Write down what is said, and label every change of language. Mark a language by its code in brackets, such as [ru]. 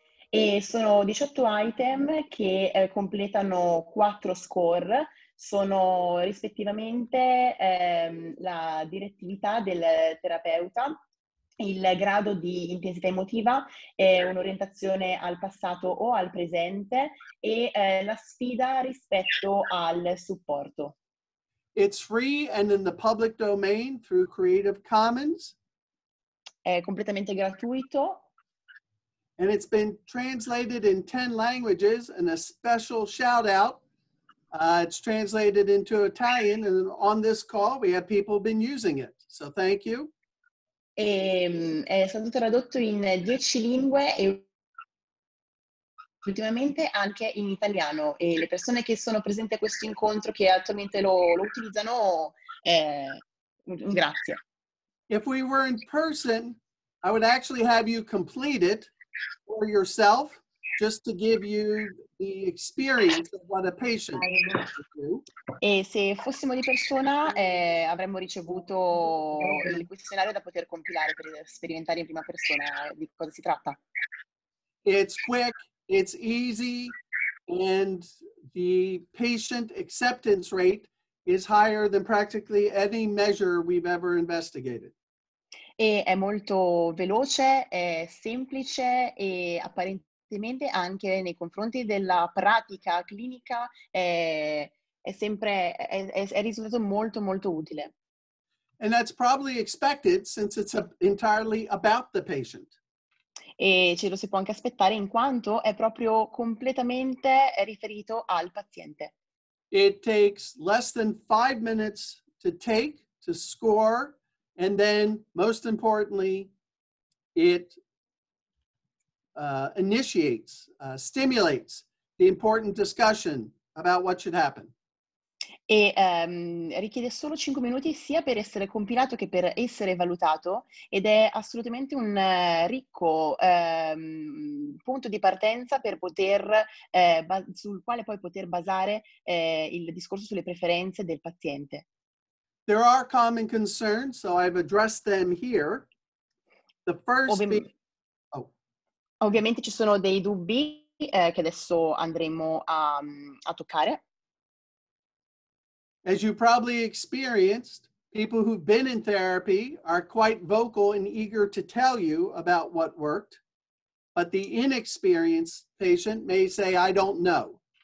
[it] E sono 18 item che completano 4 score, sono rispettivamente la direttività del terapeuta, il grado di intensità emotiva, un'orientazione al passato o al presente e la sfida rispetto al supporto. [en] It's free and in the public domain through Creative Commons. [it] È completamente gratuito. [en] And it's been translated in 10 languages, and a special shout out, it's translated into Italian, and on this call we have people been using it, so thank you. [it] È stato tradotto in 10 lingue e ultimamente anche in italiano, e le persone che sono presenti a questo incontro che attualmente lo utilizzano, un grazie. [en] If we were in person, I would actually have you complete it for yourself, just to give you the experience of what a patient is going to do. [it] E se fossimo di persona, avremmo ricevuto il questionario da poter compilare per sperimentare in prima persona di cosa si tratta. [en] It's quick, it's easy, and the patient acceptance rate is higher than practically any measure we've ever investigated. [it] E è molto veloce, è semplice e apparentemente anche nei confronti della pratica clinica è risultato molto molto utile. [en] And that's probably expected since it's entirely about the patient. [it] E ce lo si può anche aspettare in quanto è proprio completamente riferito al paziente. [en] It takes less than 5 minutes to take, to score. And then, most importantly, it initiates, stimulates the important discussion about what should happen. [it] E richiede solo 5 minuti sia per essere compilato che per essere valutato, ed è assolutamente un ricco punto di partenza per poter sul quale poi poter basare il discorso sulle preferenze del paziente. [en] There are common concerns, so I've addressed them here. The first [it] Ovviamente ci sono dei dubbi che adesso andremo a toccare. [en] As you probably experienced, people who've been in therapy are quite vocal and eager to tell you about what worked. But the inexperienced patient may say, I don't know.